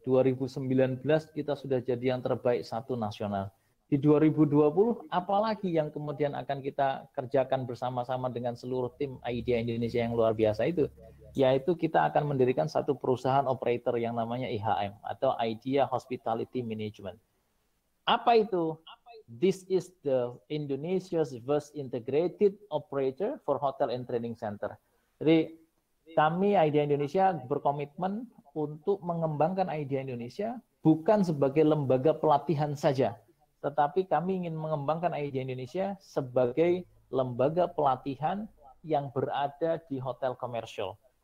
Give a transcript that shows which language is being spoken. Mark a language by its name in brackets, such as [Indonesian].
[Indonesian] 2019 kita sudah jadi yang terbaik 1 nasional. Di 2020, apalagi yang kemudian akan kita kerjakan bersama-sama dengan seluruh tim IDEA Indonesia yang luar biasa itu, yaitu kita akan mendirikan satu perusahaan operator yang namanya IHM atau IDEA Hospitality Management. Apa itu? [English] This is the Indonesia's first integrated operator for hotel and training center. [Indonesian] Jadi kami IDEA Indonesia berkomitmen untuk mengembangkan IDEA Indonesia bukan sebagai lembaga pelatihan saja, tetapi kami ingin mengembangkan IDEA Indonesia sebagai lembaga pelatihan yang berada di hotel komersial.